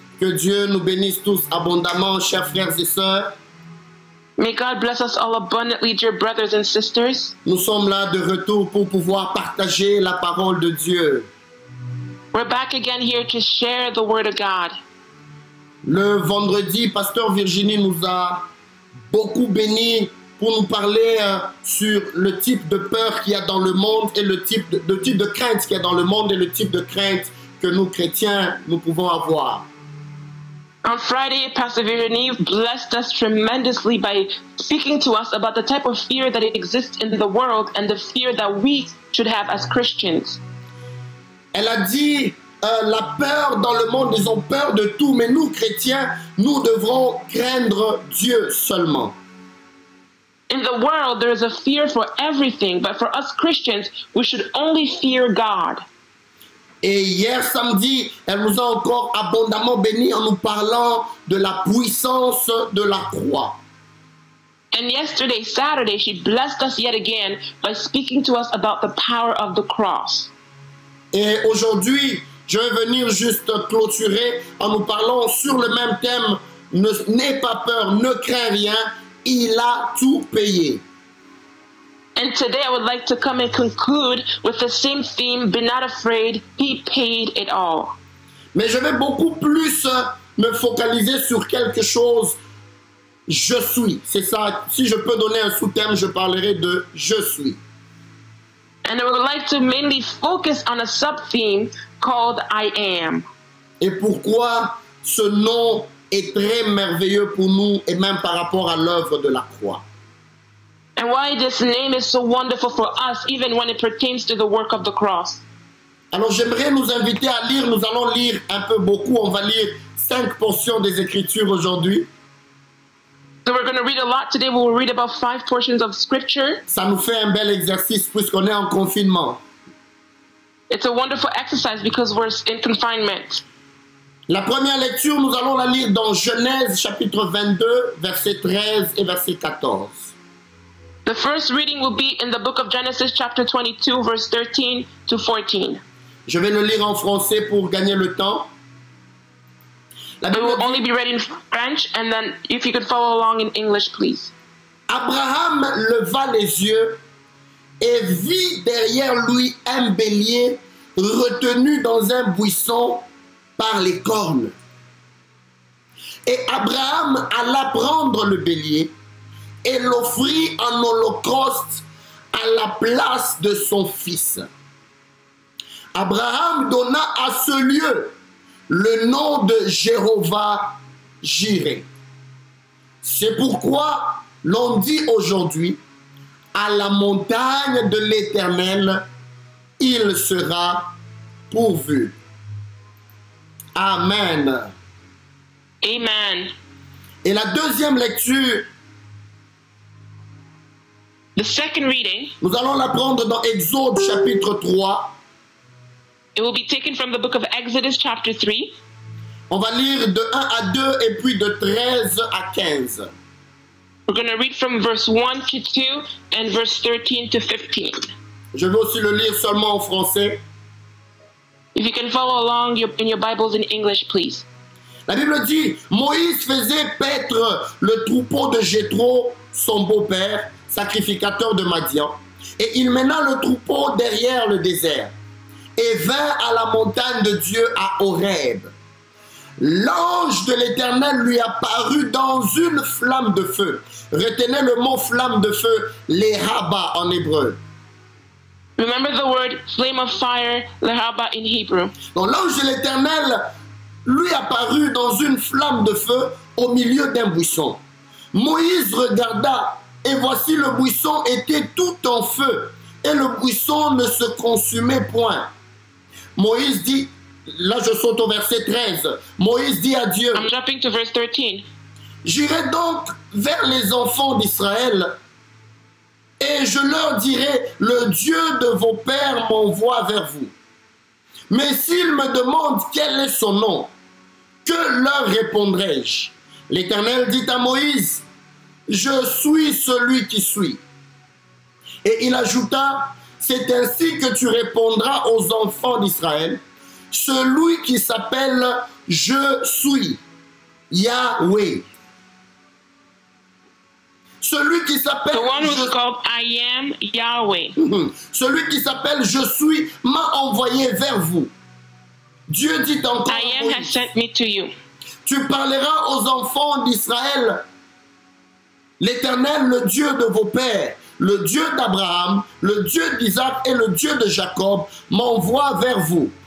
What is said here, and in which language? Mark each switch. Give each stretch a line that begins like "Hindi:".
French: Que Dieu nous bénisse tous abondamment, chers frères et sœurs.
English: May God bless us all abundantly, dear brothers and sisters.
French: Nous sommes là de retour pour pouvoir partager la parole de Dieu.
English: We're back again here to share the word of God.
French: Le vendredi, Pasteur Virginie nous a beaucoup bénis pour nous parler sur le type de peur qu'il y a dans le monde et le type de crainte qu'il y a dans le monde et le type de crainte que nous chrétiens nous pouvons avoir.
English: On Friday, Pastor Virginie blessed us tremendously by speaking to us about the type of fear that exists in the world and the fear that we should have as Christians.
French: Elle a dit, la peur dans le monde, ils ont peur de tout, mais nous chrétiens, nous devrons craindre Dieu seulement.
English: In the world, there is a fear for everything, but for us Christians, we should only fear God.
French: Et hier samedi, elle nous a encore abondamment bénis en nous parlant de la puissance de la croix.
English: And yesterday, Saturday, she blessed us yet again by speaking to us about the power of the cross.
French: Et aujourd'hui, je vais venir juste clôturer en nous parlant sur le même thème. N'aie pas peur, ne crains rien, il a tout payé.
English: And today I would like to come and conclude with the same theme, be not afraid, he paid it all.
French: Mais je vais beaucoup plus me focaliser sur quelque chose, je suis. C'est ça, si je peux donner un sous-thème, je parlerai de je suis.
English: And I would like to mainly focus on a sub-theme called I am.
French: Et pourquoi ce nom est très merveilleux pour nous et même par rapport à l'œuvre de la croix.
English: And why this name is so wonderful for us, even when it pertains to the work of the cross.
French: Alors j'aimerais nous inviter à lire, nous allons lire un peu beaucoup, on va lire 5 portions des Écritures aujourd'hui.
English: So we're going to read a lot today, we'll read about 5 portions of Scripture.
French: Ça nous fait un bel exercice puisqu'on est en confinement.
English: It's a wonderful exercise because we're in confinement.
French: La première lecture, nous allons la lire dans Genèse chapitre 22, verset 13 et verset 14.
English: The first reading will be in the book of Genesis, chapter 22, verse 13 to 14.
French: Je vais le lire en français pour gagner le temps.
English: It will only be read in French, and then if you could follow along in English, please.
French: Abraham leva les yeux et vit derrière lui un bélier retenu dans un buisson par les cornes. Et Abraham alla prendre le bélier et l'offrit en holocauste à la place de son fils. Abraham donna à ce lieu le nom de Jéhovah-Jiré. C'est pourquoi l'on dit aujourd'hui, à la montagne de l'Éternel, il sera pourvu. Amen. Amen. Et la deuxième lecture,
English: the second reading,
French: nous allons la prendre dans Exode chapitre 3.
English: It will be taken from the book of Exodus chapter 3.
French: On va lire de 1 à 2 et puis de 13 à 15.
English: We're going to read from verse 1 to 2 and verse 13 to 15.
French: Je vais aussi le lire seulement en français.
English: If you can follow along in your Bibles in English, please.
French: La Bible dit, Moïse faisait paître le troupeau de Jéthro, son beau-père, sacrificateur de Madian, et il mena le troupeau derrière le désert et vint à la montagne de Dieu à Horeb. L'ange de l'Éternel lui apparut dans une flamme de feu. Retenez le mot flamme de feu, l'Ehaba en hébreu.
English: Remember the word flame of fire, l'Ehaba in Hebrew.
French: Donc l'ange de l'Éternel lui apparut dans une flamme de feu au milieu d'un buisson. Moïse regarda et voici le buisson était tout en feu et le buisson ne se consumait point. Moïse dit, là je saute au verset 13, Moïse dit à Dieu,
English: I'm jumping to verse 13.
French: J'irai donc vers les enfants d'Israël et je leur dirai, le Dieu de vos pères m'envoie vers vous. Mais s'ils me demandent quel est son nom, que leur répondrai-je? L'Éternel dit à Moïse, je suis celui qui suis. Et il ajouta, c'est ainsi que tu répondras aux enfants d'Israël, celui qui s'appelle Je suis, Yahweh. Celui qui s'appelle
English: The one who is called I am Yahweh.
French: Celui qui s'appelle Je suis m'a envoyé vers vous. Dieu dit encore
English: I am has sent me to you.
French: Tu parleras aux enfants d'Israël. L'Éternel, le Dieu de vos pères, le Dieu d'Abraham, le Dieu d'Isaac et le Dieu de Jacob m'envoie vers vous.